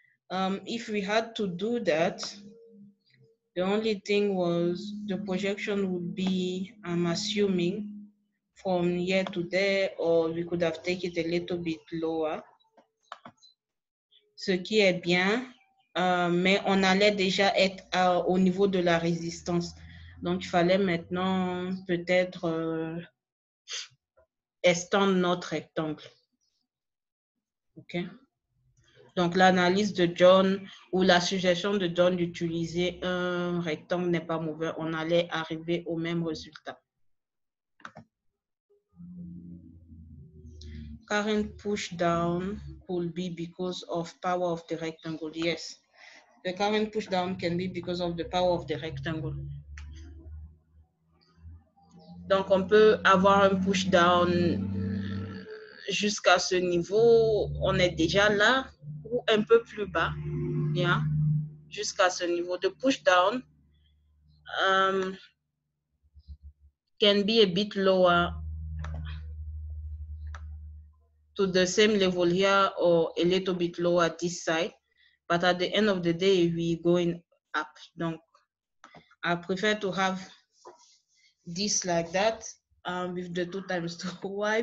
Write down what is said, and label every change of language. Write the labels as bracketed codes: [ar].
[en] If we had to do that, the only thing was the projection would be, I'm assuming, from here to there, or we could have taken it a little bit lower. [fr] Ce qui est bien, mais on allait déjà être au niveau de la résistance. Donc, il fallait maintenant peut-être étendre notre rectangle. OK? Donc, l'analyse de John ou la suggestion de John d'utiliser un rectangle n'est pas mauvaise. On allait arriver au même résultat. [en] Current push down could be because of power of the rectangle. Yes. The current push down can be because of the power of the rectangle. [fr] Donc, on peut avoir un push-down jusqu'à ce niveau, on est déjà là, ou un peu plus bas, yeah, jusqu'à ce niveau de push-down. [en] Can be a bit lower to the same level here or a little bit lower this side, but at the end of the day we're going up. Donc I prefer to have this like that with the two times two. Why?